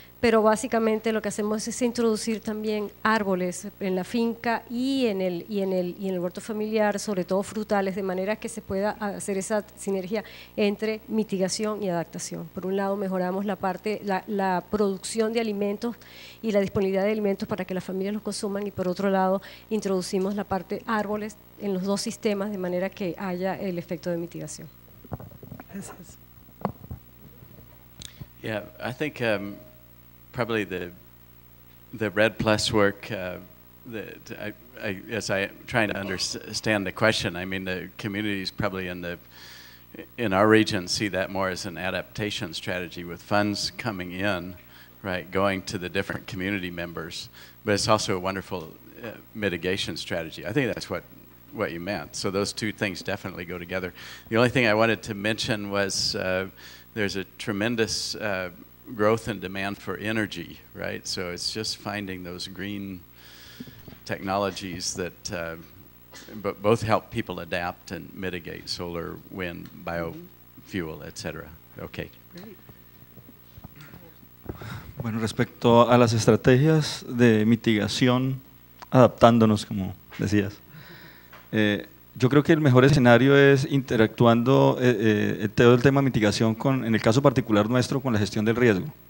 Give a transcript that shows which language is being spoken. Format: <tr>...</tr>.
<es>Pero básicamente lo que hacemos es introducir también árboles en la finca y en el huerto familiar, sobre todo frutales, de manera que se pueda hacer esa sinergia entre mitigación y adaptación. Por un lado, mejoramos la parte, la producción de alimentos y la disponibilidad de alimentos para que las familias los consuman, y por otro lado, introducimos la parte árboles en los dos sistemas, de manera que haya el efecto de mitigación. Gracias.</es> <en>Yeah, I think probably the red plus work that I trying to understand the question. I mean, the communities probably in our region see that more as an adaptation strategy, with funds coming in, right, going to the different community members. But it's also a wonderful mitigation strategy. I think that's what you meant. So those two things definitely go together. The only thing I wanted to mention was there's a tremendous growth and demand for energy, right? So it's just finding those green technologies that both help people adapt and mitigate: solar, wind, biofuel, etc. Okay. Great.</en> <es>Bueno, respecto a las estrategias de mitigación, adaptándonos, como decías, yo creo que el mejor escenario es interactuando todo el tema de mitigación con, en el caso particular nuestro, con la gestión del riesgo.</es>